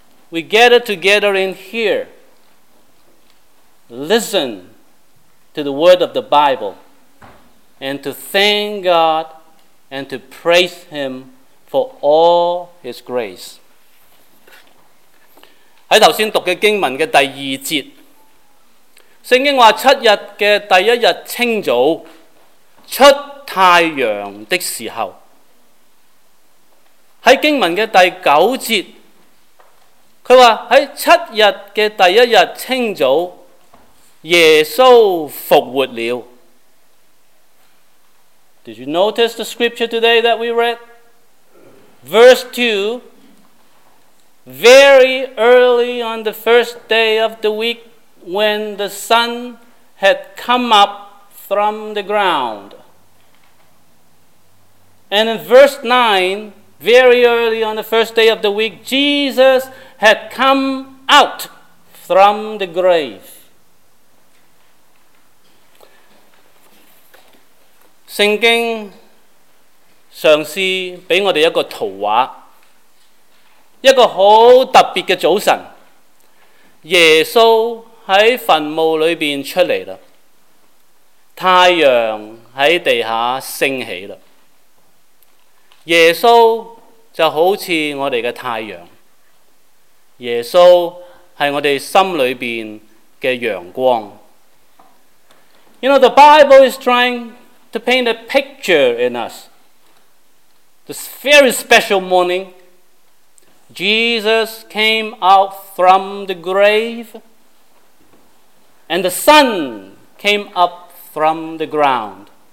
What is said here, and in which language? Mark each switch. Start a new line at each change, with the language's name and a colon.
English: We gather together in here. Listen to the word of the Bible and to thank God and to praise Him for all His grace.
Chinese: 在刚才读的经文的第二节，圣经说七日的第一日清早，出太阳的时候。在经文的第九节，他说在七日的第一日清早，耶稣复活了。
English: Did you notice the scripture today that we read? Verse 2, very early on the first day of the week, when the sun had come up from the ground. And in verse 9, very early on the first day of the week, JesusHad come out from the grave.
Chinese: 圣经尝试给我们一个图画，一个很特别的早晨，耶稣在坟墓里面出来了，太阳在地下升起了，耶稣就好像我们的太阳，耶稣是我们心里面的阳光。
English: You know, the Bible is trying to paint a picture in us. This very special morning, Jesus came out from the grave, and the sun came up from the ground.